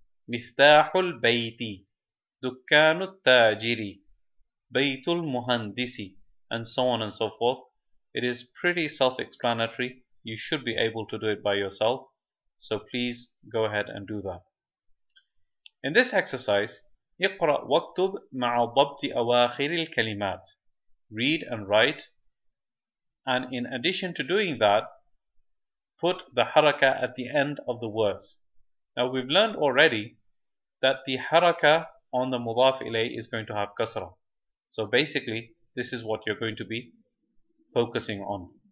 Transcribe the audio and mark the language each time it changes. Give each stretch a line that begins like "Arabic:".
Arabic: مفتاح البيت دكان التاجر بيت المهندس
English: and so on and so forth. It is pretty self-explanatory. You should be able to do it by yourself. So please go ahead and do that. In this exercise,
Arabic: اقرأ واكتب مع ضبط أواخر الكلمات.
English: Read and write. And in addition to doing that, put the haraka at the end of the words. Now we've learned already that the haraka on the mudaf ilayh is going to have kasra. So basically, this is what you're going to be focusing on.